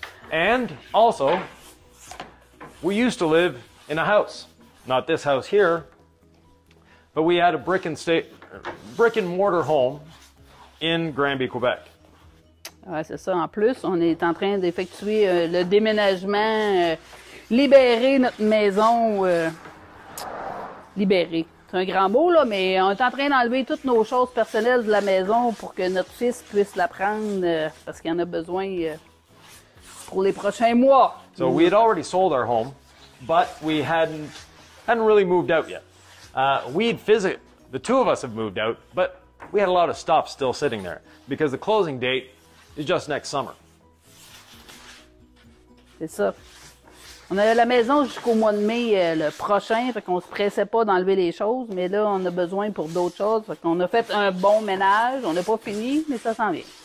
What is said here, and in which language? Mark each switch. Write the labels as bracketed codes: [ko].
[en] And also, we used to live in a house, not this house here, but we had a brick and mortar home in Granby, Quebec. [fr] Ouais, c'est ça. En plus, on est en train d'effectuer le déménagement, libérer notre maison, libérer. C'est un grand mot là, mais on est en train d'enlever toutes nos choses personnelles de la maison pour que notre fils puisse la prendre parce qu'il en a besoin. Pour les prochains mois. [en] So we had already sold our home, but we hadn't really moved out yet. The two of us have moved out, but we had a lot of stuff still sitting there because the closing date is just next summer. [fr] C'est ça. On avait la maison jusqu'au mois de mai le prochain, fait qu'on se pressait pas d'enlever les choses, mais là on a besoin pour d'autres choses, fait qu'on a fait un bon ménage, on n'a pas fini, mais ça s'en vient.